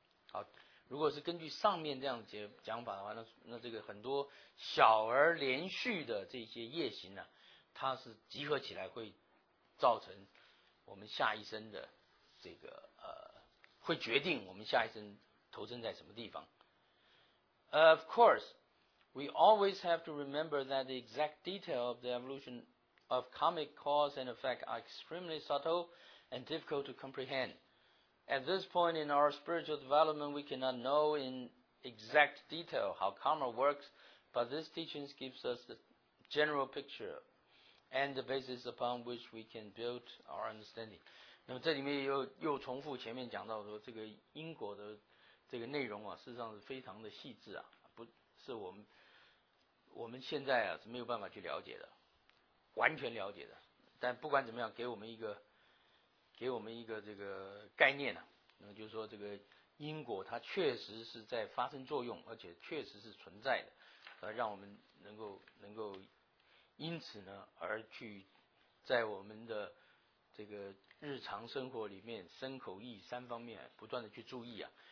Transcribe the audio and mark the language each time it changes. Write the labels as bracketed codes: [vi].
[zh] 好，如果是根据上面这样的讲法的话，那这个很多小而连续的这些业行呢、啊，它是集合起来会造成我们下一生的这个会决定我们下一生投身在什么地方。 [en] Of course, we always have to remember that the exact detail of the evolution of comic cause and effect are extremely subtle and difficult to comprehend. At this point in our spiritual development, we cannot know in exact detail how karma works, but this teaching gives us the general picture and the basis upon which we can build our understanding. [zh] 那么这里面又重复前面讲到说这个因果的这个内容啊，事实上是非常的细致啊，不是我们现在啊是没有办法去了解的，完全了解的。但不管怎么样，给我们一个这个概念啊，那么就是说这个因果它确实是在发生作用，而且确实是存在的，让我们能够因此呢而去在我们的这个日常生活里面身口意三方面不断的去注意啊。